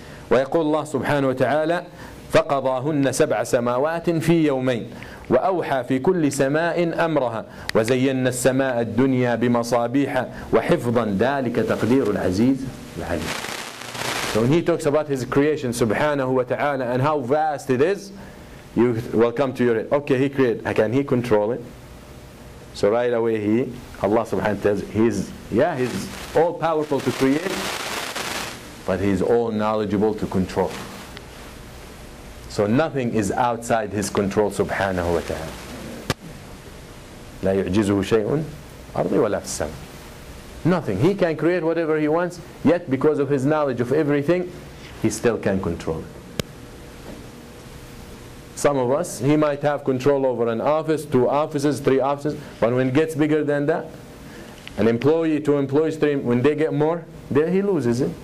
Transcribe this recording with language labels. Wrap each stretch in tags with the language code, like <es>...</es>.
<ar>ويقول الله سبحانه وتعالى فَقَضَاهُنَّ سَبْعَ سَمَاوَاتٍ فِي يَوْمَيْنِ وأوحى في كل سماء أمرها وزينا السماء الدنيا بمصابيح وحفظا ذلك تقدير العزيز العليم.</ar> <en>So when he talks about his creation,</en> <ar>سبحانه وتعالى,</ar> <en>and how vast it is, you will come to your head. Okay, he created. Can he control it? So right away, Allah سبحانه says, he's all powerful to create, but he's all knowledgeable to control. So nothing is outside His control,</en> <ar>subhanahu wa ta'ala. لا يعجزه شيء أرضي ولا في السماء.</ar> <en>Nothing. He can create whatever He wants, yet because of His knowledge of everything, He still can control it. Some of us, He might have control over an office, two offices, three offices, but when it gets bigger than that, an employee, two employees, three, when they get more, there He loses it.</en>